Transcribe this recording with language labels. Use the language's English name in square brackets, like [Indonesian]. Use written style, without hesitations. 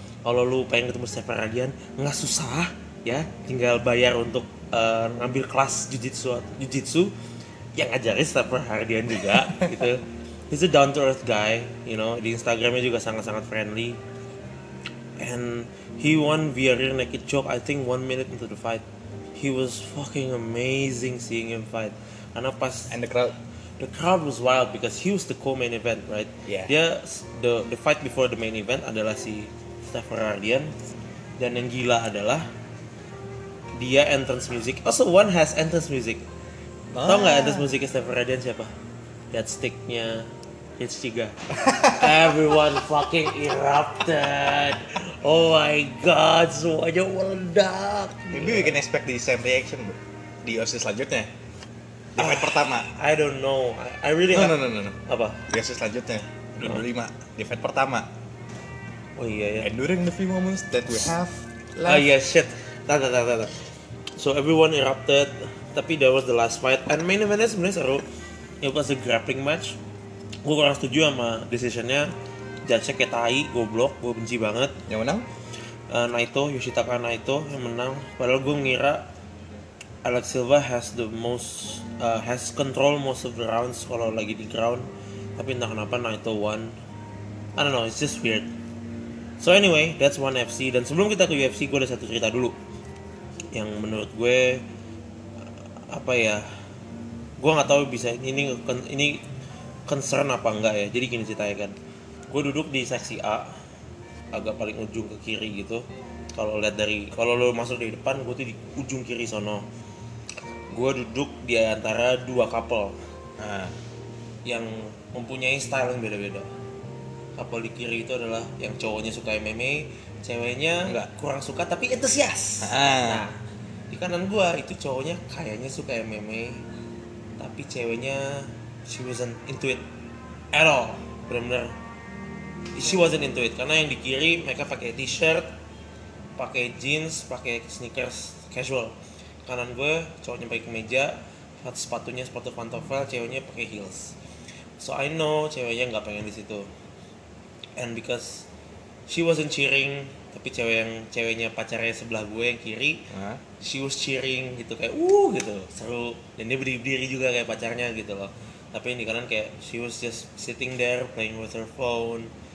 [Indonesian] Kalau lu pengen ketemu Stefan Radian, nggak susah ya, tinggal bayar untuk ngambil kelas jiu-jitsu yang ngajarin Stefan Radian juga gitu. [English] He's a down to earth guy, you know, [Indonesian] di Instagramnya juga sangat-sangat friendly. [English] And he won via rear naked choke, I think 1 minute into the fight. He was fucking amazing seeing him fight. [Indonesian] Karena pas [English] and the crowd, the crowd was wild because he was the co-main event, right? Yeah. [Indonesian] Dia [English] the fight before the main event [Indonesian] adalah si Stefan Radian, dan yang gila adalah dia [English] entrance music. Also one has entrance music. Oh. [Indonesian] Tahu nggak entrance musiknya Stefan Radian siapa? [English] That sticknya H3. Everyone fucking erupted. Oh my god, [Indonesian] semuanya meledak. [English] Maybe we can expect the same reaction [Indonesian] di UFC selanjutnya. Di fight pertama. [English] I don't know. I really no. [Indonesian] Apa? Di UFC selanjutnya. 25. Di fight pertama. Oh iya ya. [English] And during the few moments that we have left. [Indonesian] Oh iya, shit. Tata. [English] So everyone erupted, [Indonesian] tapi [English] that was the last fight. And main eventnya [Indonesian] sebenarnya seru. [English] It was a grappling match. [Indonesian] Gue kurang setuju sama decisionnya. Judge-nya kayak tai, goblok, gue benci banget. Yang menang? Yoshitaka Naito yang menang. Padahal gue ngira [English] Alex Silva has the most has control most of the rounds [Indonesian] kalau lagi di ground. Tapi entah kenapa [English] Naito won. I don't know, it's just weird. So anyway, that's one FC. [Indonesian] Dan sebelum kita ke UFC, gue ada satu cerita dulu yang menurut gue apa ya, gue nggak tahu bisa ini concern apa enggak ya. Jadi gini ceritanya kan, gue duduk di seksi A agak paling ujung ke kiri gitu. Kalau lihat dari, kalau lo masuk dari depan, gue tuh di ujung kiri sono. Gue duduk di antara dua couple, nah, yang mempunyai style yang beda-beda. Couple di kiri itu adalah yang cowoknya suka MMA, ceweknya enggak kurang suka tapi antusias. Nah, di kanan gue itu cowoknya kayaknya suka MMA, tapi ceweknya [English] she wasn't into it at all, [Indonesian] benar-benar [English] she wasn't into it. [Indonesian] Karena yang di kiri mereka pakai t-shirt, pakai jeans, pakai sneakers casual. Kanan gue cowoknya pakai kemeja, sepatunya sepatu pantofel, ceweknya pakai heels. [English] So I know [Indonesian] ceweknya nggak pengen di situ. [English] And because she wasn't cheering, [Indonesian] tapi cewek yang ceweknya pacarnya sebelah gue yang kiri, [English] she was cheering [Indonesian] gitu kayak gitu seru. Dan dia berdiri juga kayak pacarnya gitu loh. Tapi yang di kanan kayak [English] she was just sitting there playing with her phone